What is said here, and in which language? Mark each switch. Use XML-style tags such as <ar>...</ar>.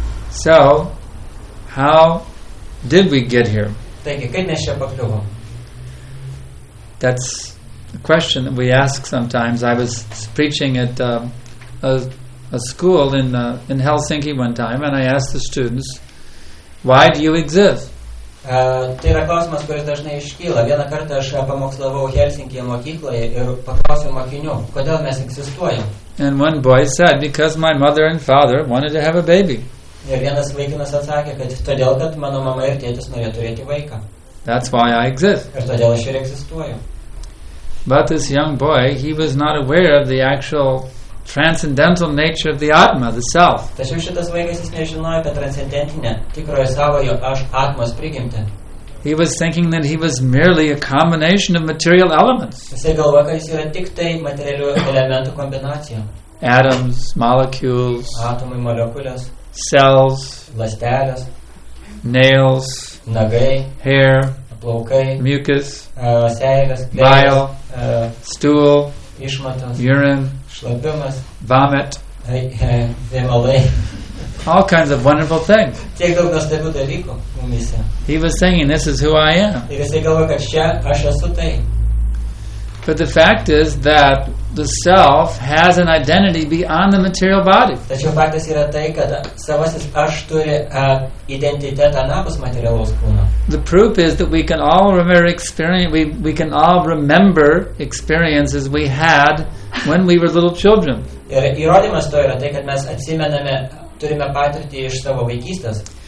<en>So, how did we get here?</en> <lt>Taigi, kaip mes čia pakliuvom?</lt> <en>That's a question that we ask sometimes. I was preaching at a school in Helsinki one time, and I asked the students, why do you exist?</en> <lt>Tai yra klausimas, kuris dažnai iškyla. Vieną kartą aš pamokslavau Helsinkyje mokykloje ir paklausiau mokinių, kodėl mes egzistuojam.</lt> <en>And one boy said, because my mother and father wanted to have a baby.</en> <lt>Ir vienas vaikinas atsakė, kad todėl, kad mano mama ir tėtis norėjo turėti vaiką.</lt> <en>That's why I exist.</en> <lt>Ir todėl aš ir egzistuoju.</lt> <en>But this young boy, he was not aware of the actual transcendental nature of the Atma, the self.</en> <lt>Tačiau šitas vaikas jis nežinojo apie transcendentinę, tikrojo savojo aš atmos prigimtį.</lt> <en>He was thinking that he was merely a combination of material elements.</en> <lt>Jisai galvoja, kad jis yra tik tai materialių elementų kombinacija.</lt> <en>Atoms, molecules.</en> <lt>Atomai, molekulės.</lt> <en>Cells.</en> <lt>Ląstelės.</lt> <en>Nails.</en> <lt>Nagai.</lt> <en>Hair.</en> <lt>Plaukai.</lt> <en>Mucus.</en> <lt>Seilės.</lt> <en>Bile. Stool.</en> <lt>Išmatos.</lt> <en>Urine.</en> <lt>Šlapimas.</lt> <en>Vomit.</en> <lt>Vėmalai.</lt> <en>All kinds of wonderful things.</en> <lt>Tiek daug nuostabių dalykų mumyse.</lt> <en>He was thinking, this is who I am.</en> <lt>Ir jisai galvoja, kad čia aš esu tai.</lt> <en>But the fact is that the self has an identity beyond the material body.</en> <lt>Tačiau faktas yra tai, kad savasis aš turi identitetą anapus materialaus kūno.</lt> <en>The proof is that we can all remember experience, we can all remember experiences we had when we were little children.</en> <lt>Ir įrodymas to yra tai, kad mes atsimename, turime patirtį iš savo vaikystės.</lt>